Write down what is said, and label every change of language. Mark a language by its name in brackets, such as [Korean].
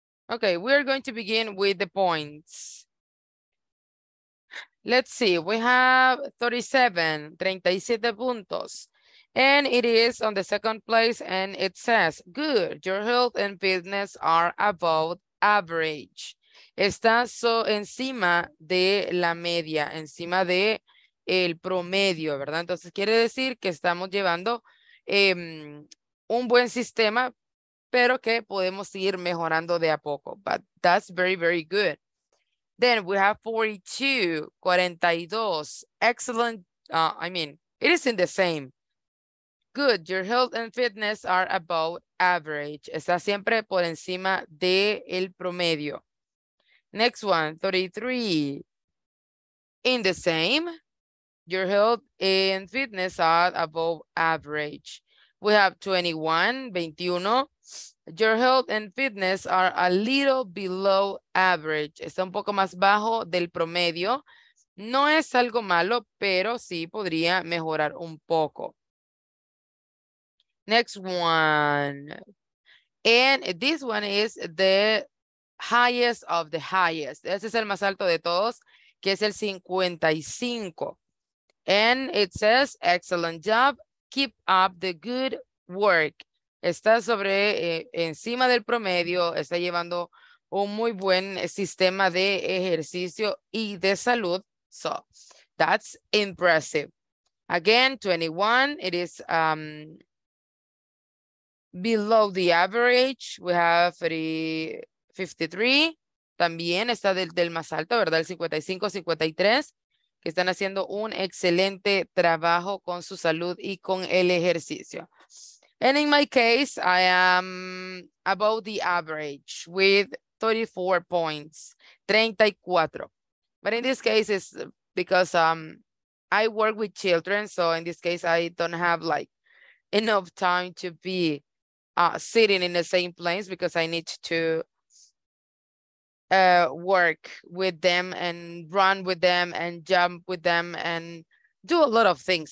[English] Okay, we are going to begin with the points. Let's see, we have 37 puntos, and it is on the second place, and it says, good, your health and fitness are above average. [Spanish] Está so encima de la media, encima de el promedio, ¿verdad? Entonces quiere decir que estamos llevando un buen sistema, pero que podemos ir mejorando de a poco. [English] But that's very, very good. Then we have 42, excellent, it is in the same. Good, your health and fitness are above average. [Spanish] Está siempre por encima de el promedio. [English] Next one, 33, in the same. Your health and fitness are above average. We have 21, your health and fitness are a little below average. [Spanish] Está un poco más bajo del promedio. No es algo malo, pero sí podría mejorar un poco. [English] Next one. And this one is the highest of the highest. [Spanish] Ese es el más alto de todos, que es el 55. [English] And it says, excellent job. Keep up the good work. [Spanish] Está sobre, encima del promedio, está llevando un muy buen sistema de ejercicio y de salud. [English] So, that's impressive. Again, 21, it is below the average. [Spanish] We have 53, también está del más alto, ¿verdad? El 55, 53, que están haciendo un excelente trabajo con su salud y con el ejercicio. [English] And in my case, I am above the average with 34. 34. But in this case, it's because I work with children. So in this case, I don't have like enough time to be sitting in the same place because I need to work with them and run with them and jump with them and do a lot of things.